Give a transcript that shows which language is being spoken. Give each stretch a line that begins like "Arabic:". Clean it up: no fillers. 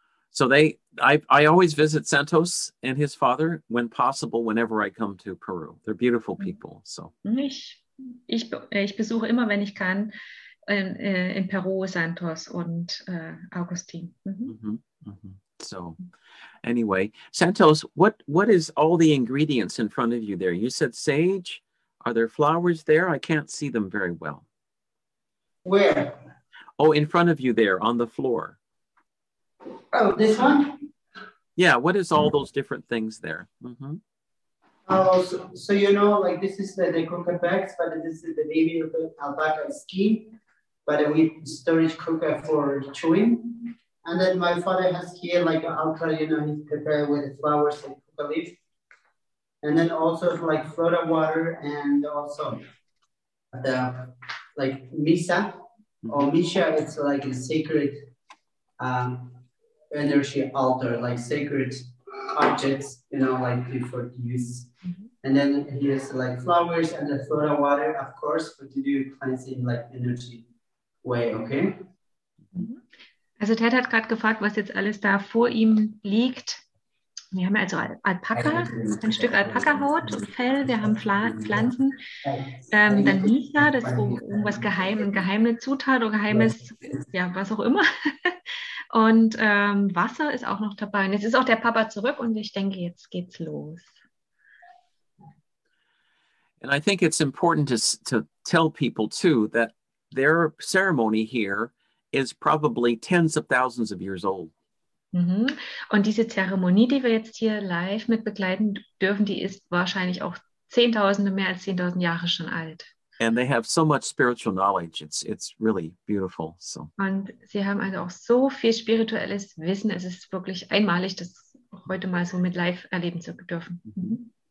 English: So I always visit Santos and his father when possible, whenever I come to Peru. They're beautiful people. So
German: ich besuche immer, wenn ich kann, in Peru Santos und Augustin. Mm-hmm. Mm-hmm.
English: So anyway, Santos, what is all the ingredients in front of you there? You said sage. Are there flowers there? I can't see them very well. Where? Oh, in front of you there on the floor. Oh, this one? Yeah, what is all those different things there? Mm-hmm. So you know, like this is the croquette bags, but this is the baby of the alpaca skin, but we storage croquette for chewing. And then my father has here like an alpaca, you know, he's prepared with flowers and coca leaves. And then also like Florida water and also the like misa or misha, it's like a sacred energy altar, like sacred objects, you know, like before use. Mm-hmm. And then here's like flowers and the Florida water, of course, but to do cleansing like energy way, okay?
German: Also Ted hat gerade gefragt, was jetzt alles da vor ihm liegt. Wir haben also Alpaka, ein Stück Alpaka-Haut und Fell, wir haben Pflanzen, dann Misa, das ist irgendwas geheime Zutat oder geheimes, ja, was auch immer. Und Wasser ist auch noch dabei. Und jetzt ist auch der Papa zurück und ich denke, jetzt geht's los.
English: And I think it's important to tell people too that their ceremony here is probably tens of thousands of years old.
German: Und diese Zeremonie, die wir jetzt hier live mit begleiten dürfen, die ist wahrscheinlich auch Zehntausende, mehr als 10.000 Jahre schon alt.
English: And they have so much spiritual knowledge. It's really beautiful. So.
German: Und sie haben also auch so viel spirituelles Wissen. Es ist wirklich einmalig, das heute mal so mit live erleben zu dürfen.